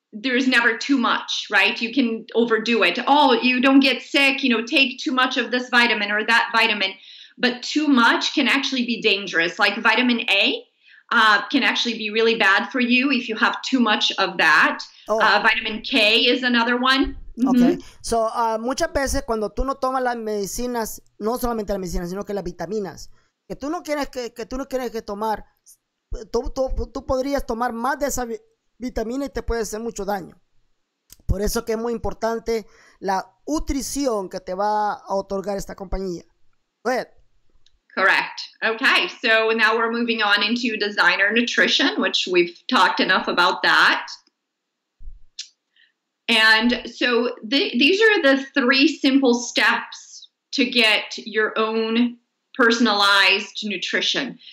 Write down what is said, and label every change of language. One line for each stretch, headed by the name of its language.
English: There's never too much, right? You can overdo it. Oh, you don't get sick, you know, take too much of this vitamin or that vitamin. But too much can actually be dangerous. Like vitamin A can actually be really bad for you if you have too much of that. Oh. Vitamin K is another one. Okay. Mm-hmm.
Spanish: So muchas veces cuando tú no tomas las medicinas, no solamente las medicinas, sino que las vitaminas, que tú no quieres que tú no quieres que tomar, tú podrías tomar más de esa vitamina y te puede hacer mucho daño. Por eso que es muy importante la nutrición que te va a otorgar esta compañía.
English: Go ahead. Correct. Okay. So now we're moving on into designer nutrition, which we've talked enough about that. And so these are the three simple steps to get your own personalized nutrition.